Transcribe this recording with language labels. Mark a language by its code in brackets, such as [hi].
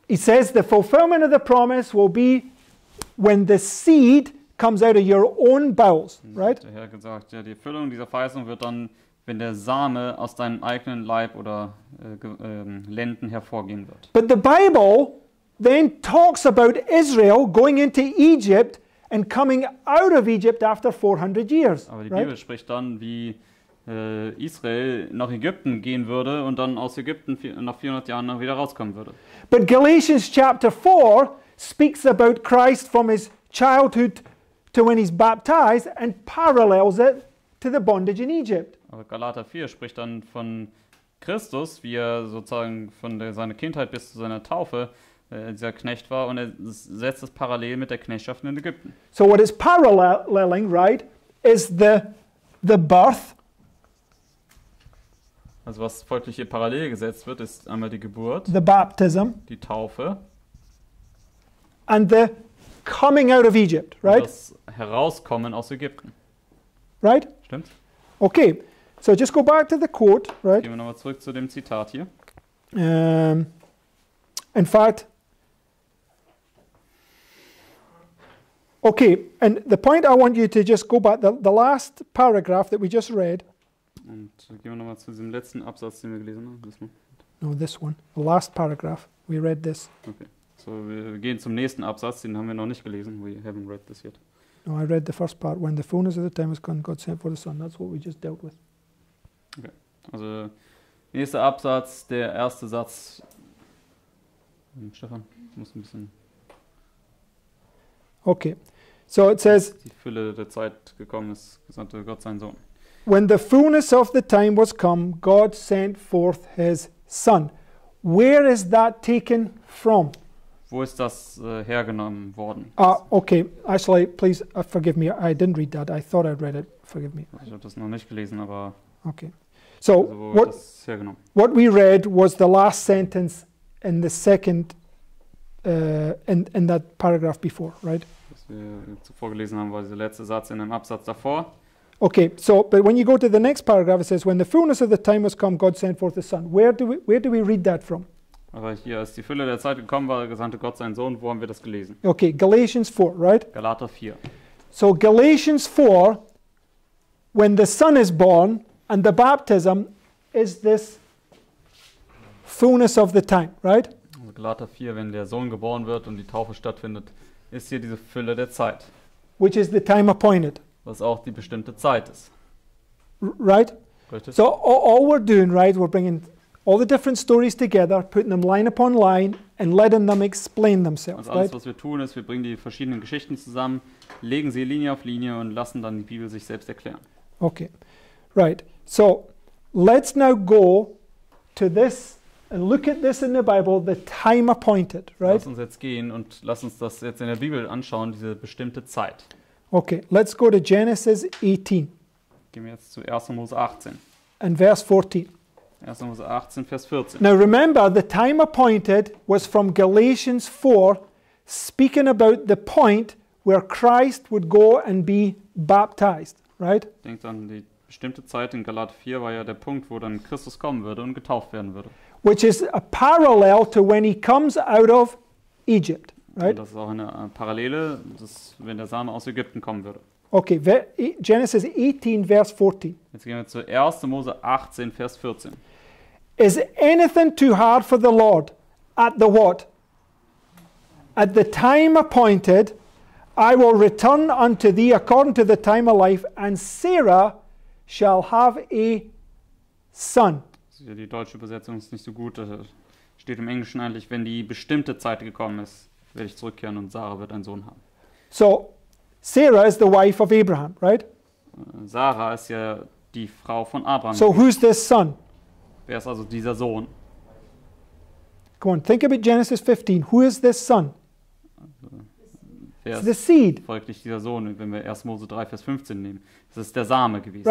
[en] He says the fulfillment of the promise will be when the seed comes out of your own bowels, right? [de] Der Herr gesagt, ja, die Erfüllung dieser Verheißung wird dann, wenn der Same aus deinem eigenen Leib oder Lenden hervorgehen wird. [en] But the Bible then talks about Israel going into Egypt and coming out of Egypt after 400 years. [de] Aber die Bibel spricht dann, wie Israel nach Ägypten gehen würde und dann aus Ägypten nach 400 Jahren noch wieder rauskommen würde. [en] But Galatians chapter 4 speaks about Christ from his childhood to when he's baptized and parallels it to the bondage in Egypt. [de] Aber Galater 4 spricht dann von Christus, wie er sozusagen von seiner Kindheit bis zu seiner Taufe dieser Knecht war, und er setzt es parallel mit der Knechtschaft in Ägypten. [en] So what is paralleling, right, is the birth. [de] Also was folglich hier parallel gesetzt wird, ist einmal die Geburt, [en] the baptism, [de] die Taufe, [en] and the coming out of Egypt, right? [de] Das Herauskommen aus Ägypten. [en] Right? [de] Stimmt. [en] Okay, so just go back to the quote, right? [de] Gehen wir nochmal zurück zu dem Zitat hier. [en] In fact, okay, and the point I want you to just go back, the last paragraph that we just read. [de] Und gehen wir nochmal zu diesem letzten Absatz, den wir gelesen haben. [en] This one. No, this one. The last paragraph. We read this. Okay. [de] So wir gehen zum nächsten Absatz, den haben wir noch nicht gelesen. [en] We haven't read this yet. No, I read the first part. When the fullness of the time has come, God sent for the Son. That's what we just dealt with. [de] Okay. Also, nächster Absatz, der erste Satz. Stefan, du musst ein bisschen... [en] Okay, so it says, [de] die Fülle der Zeit gekommen ist, gesandte Gott seinen Sohn. [en] When the fullness of the time was come, God sent forth his Son. Where is that taken from? [de] Wo ist das hergenommen worden? [en] Okay, actually, please forgive me, I didn't read that, I thought I'd read it, forgive me. [de] Ich habe das noch nicht gelesen, aber... [en] Okay, so [de] also, wo ist das hergenommen? [en] What we read was the last sentence in the second... in that paragraph before, right? [de] Was wir zuvor gelesen haben, war dieser letzte Satz in einem Absatz davor. [en] Okay, so, but when you go to the next paragraph, it says, when the fullness of the time was come, God sent forth his Son. Where do we read that from? [de] Aber hier, als die Fülle der Zeit gekommen war, gesandte Gott seinen Sohn, wo haben wir das gelesen? [en] Okay, Galatians 4, right? [de] Galater 4. [en] So, Galatians 4, when the Son is born, and the baptism is this fullness of the time, right? [de] Galater 4, wenn der Sohn geboren wird und die Taufe stattfindet, ist hier diese Fülle der Zeit. [en] Which is the time appointed. [de] Was auch die bestimmte Zeit ist. [en] Right? [de] Richtig. [en] So all we're doing, right, we're bringing all the different stories together, putting them line upon line and letting them explain themselves. [de] Also alles, [en] right? [de] Was wir tun, ist, wir bringen die verschiedenen Geschichten zusammen, legen sie Linie auf Linie und lassen dann die Bibel sich selbst erklären. [en] Okay. Right. So let's now go to this. And look at this in the Bible, the time appointed, right? [de] Lass uns jetzt gehen und lass uns das jetzt in der Bibel anschauen, diese bestimmte Zeit. [en] Okay, let's go to Genesis 18. [de] Gehen wir jetzt zu 1. Mose 18. [en] And verse 14. [de] 1. Mose 18, Vers 14. [en] Now remember, the time appointed was from Galatians 4, speaking about the point where Christ would go and be baptized, right? [de] Denkt an die bestimmte Zeit in Galater 4, war ja der Punkt, wo dann Christus kommen würde und getauft werden würde. [en] Which is a parallel to when he comes out of Egypt, right? [de] Und das ist auch eine Parallele, das, wenn der Same aus Ägypten kommen würde. [en] Okay, Genesis 18, verse 14. [de] Jetzt gehen wir zu 1. Mose 18, Vers 14. [en] Is anything too hard for the Lord at the what? At the time appointed, I will return unto thee according to the time of life, and Sarah shall have a son. [de] Die deutsche Übersetzung ist nicht so gut. Da steht im Englischen eigentlich, wenn die bestimmte Zeit gekommen ist, werde ich zurückkehren und Sarah wird einen Sohn haben. [en] So, Sarah is the wife of Abraham, right? [de] Sarah ist ja die Frau von Abraham. [en] So, who's this son? [de] Wer ist also dieser Sohn? [en] Come on, think about Genesis 15. Who is this son? [de] Also, wer ist [en] the seed. [de] Folglich dieser Sohn, wenn wir 1. Mose 3, Vers 15 nehmen. Das ist der Same gewesen.